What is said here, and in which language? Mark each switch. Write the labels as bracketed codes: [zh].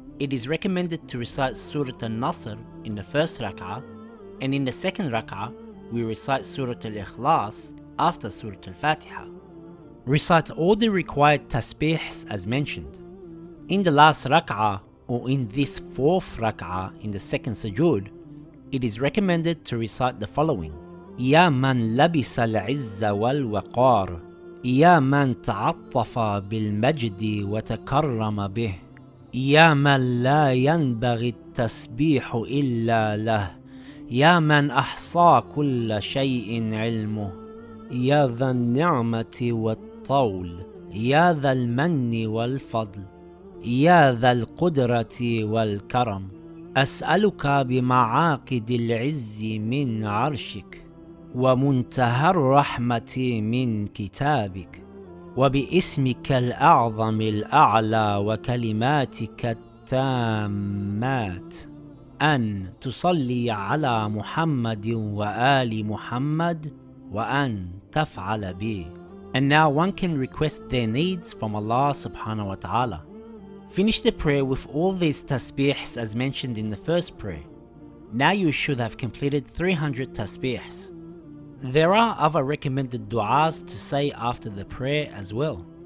[en] It is recommended to recite Surat al-Nasr in the first rak'ah, and in the second rak'ah, we recite Surat al-Ikhlas after Surat al-Fatiha. Recite all the required tasbihs as mentioned. In the last rak'ah, or in this fourth rak'ah in the second sujood, it is recommended to recite the following. [ar] Ya man labisa al-izza wal-waqar. يا من تعطف بالمجد وتكرم به يا من لا ينبغي التسبيح إلا له يا من أحصى كل شيء علمه يا ذا النعمة والطول يا ذا المن والفضل يا ذا القدرة والكرم أسألك بمعاقد العز من عرشك ومنتهى الرحمة من كتابك وباسمك الأعظم الأعلى وكلماتك التامات أن تصلي على محمد وآل محمد وأن تفعل بي. [en] And now one can request their needs from Allah subhanahu wa ta'ala. Finish the prayer with all these tasbihs as mentioned in the first prayer. Now you should have completed 300 tasbihs. There are other recommended du'as to say after the prayer as well.